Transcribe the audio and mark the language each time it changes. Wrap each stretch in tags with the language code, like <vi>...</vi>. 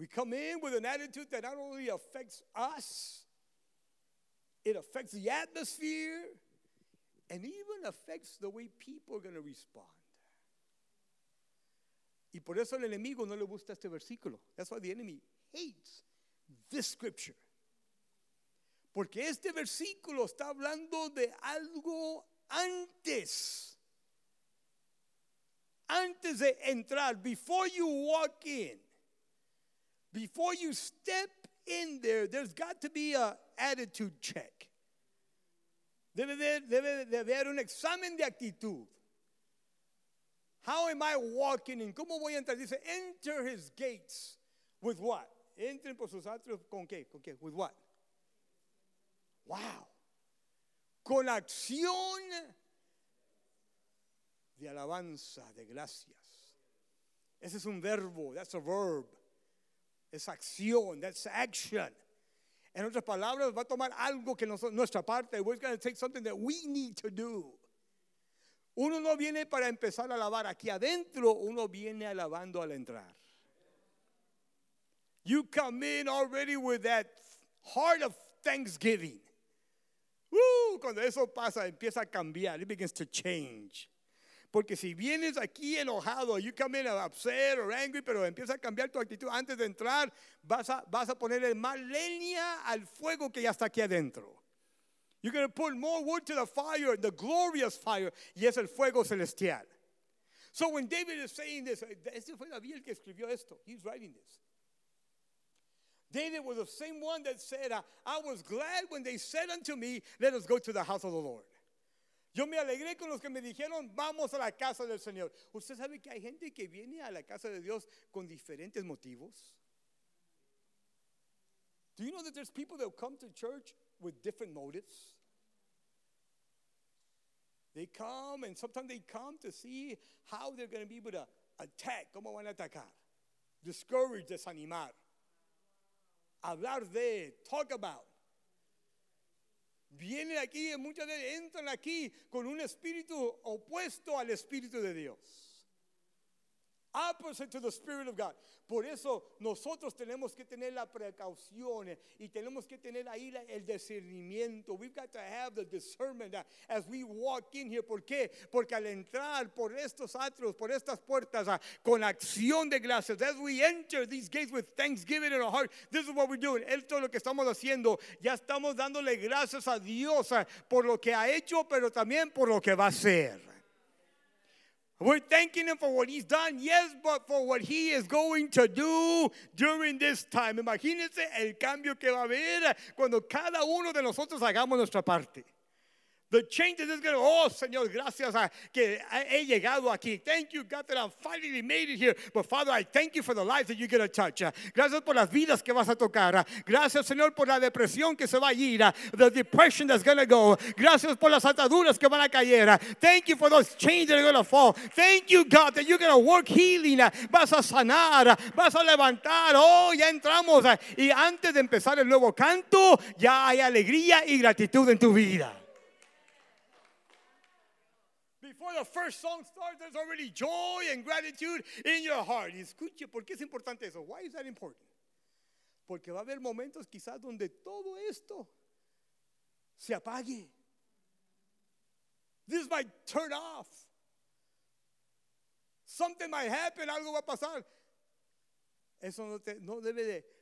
<en>We come in with an attitude that not only affects us, it affects the atmosphere, and even affects the way people are going to respond.</en> <es>Y por eso el enemigo no le gusta este versículo.</es> <en>That's why the enemy hates this scripture.</en> <es>Porque este versículo está hablando de algo antes. Antes de entrar,</es> <en>before you walk in, before you step in there, there's got to be an attitude check.</en> <es>Debe haber un examen de actitud.</es> <en>How am I walking in?</en> <es>¿Cómo voy a entrar? Dice,</es> <en>enter his gates with what?</en> <es>Entren por sus atrios, ¿con qué? ¿Con qué?</es> <en>With what?</en> <es>Wow. Con acción de alabanza, de gracias. Ese es un verbo.</es> <en>That's a verb.</en> <es>Es acción.</es> <en>That's action.</en> <es>En otras palabras, va a tomar algo que nuestra parte.</es> <en>We're going to take something that we need to do.</en> <es>Uno no viene para empezar a alabar aquí adentro. Uno viene alabando al entrar.</es> <en>You come in already with that heart of thanksgiving.</en> <es>Woo! Cuando eso pasa, empieza a cambiar.</es> <en>It begins to change.</en> <es>Porque si vienes aquí enojado,</es> <en>you come in upset or angry,</en> <es>pero empieza a cambiar tu actitud antes de entrar, vas a ponerle más leña al fuego que ya está aquí adentro.</es> <en>You're going to put more wood to the fire, the glorious fire,</en> <es>y es el fuego celestial.</es> <en>So when David is saying this,</en> <es>este fue David el que escribió esto.</es> <en>He's writing this. David was the same one that said, I was glad when they said unto me, let us go to the house of the Lord.</en> <es>Yo me alegré con los que me dijeron, vamos a la casa del Señor. ¿Usted sabe que hay gente que viene a la casa de Dios con diferentes motivos?</es> <en>Do you know that there's people that come to church with different motives? They come and sometimes they come to see how they're going to be able to attack.</en> <es>¿Cómo van a atacar?</es> <en>Discourage,</en> <es>desanimar. Hablar de,</es> <en>talk about.</en> <es>Vienen aquí, muchas veces entran aquí con un espíritu opuesto al espíritu de Dios.</es> <en>Opposite to the spirit of God.</en> <es>Por eso nosotros tenemos que tener la precaución y tenemos que tener ahí el discernimiento.</es> <en>We've got to have the discernment as we walk in here.</en> <es>¿Por qué? Porque al entrar por estos atrios, por estas puertas, con acción de gracias,</es> <en>as we enter these gates with thanksgiving in our heart, this is what we're doing.</en> <es>Esto es lo que estamos haciendo. Ya estamos dándole gracias a Dios por lo que ha hecho, pero también por lo que va a hacer.</es> <en>We're thanking him for what he's done, yes, but for what he is going to do during this time.</en> <es>Imagínense el cambio que va a haber cuando cada uno de nosotros hagamos nuestra parte.</es> <en>The change is going to,</en> <es>oh, Señor, gracias a que he llegado aquí.</es> <en>Thank you, God, that I finally made it here. But, Father, I thank you for the lives that you're going to touch.</en> <es>Gracias por las vidas que vas a tocar. Gracias, Señor, por la depresión que se va a ir.</es> <en>The depression that's going to go.</en> <es>Gracias por las ataduras que van a caer.</es> <en>Thank you for those chains that are going to fall. Thank you, God, that you're going to work healing.</en> <es>Vas a sanar. Vas a levantar. Oh, ya entramos. Y antes de empezar el nuevo canto, ya hay alegría y gratitud en tu vida.</es> <en>Before the first song starts, there's already joy and gratitude in your heart.</en> <es>Escuche, ¿por qué es importante eso?</es> <en>Why is that important?</en> <es>Porque va a haber momentos quizás donde todo esto se apague.</es> <en>This might turn off. Something might happen.</en> <es>Algo va a pasar. Eso no debe</es>